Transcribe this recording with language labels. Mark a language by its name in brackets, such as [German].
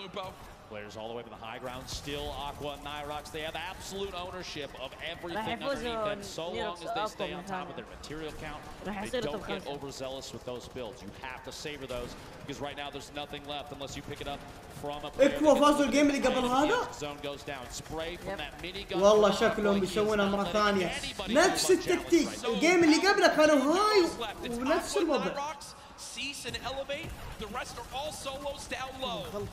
[English] Lupo players all the way to the high ground still Aqua and Nyrox they have absolute ownership of everything underneath them so long as they stay on top of their material count they don't get overzealous with those builds you have to savor those because right now there's nothing left unless you pick it up from a [Arabic] اكو فاز الجيم اللي قبل هذا [English] zone goes down spray from that mini gun [Arabic] والله شكلهم بيسوونها مره ثانيه نفس التكتيك الجيم اللي قبله كانوا هاي ونفس الوضع [English] cease and elevate the rest are all solos down low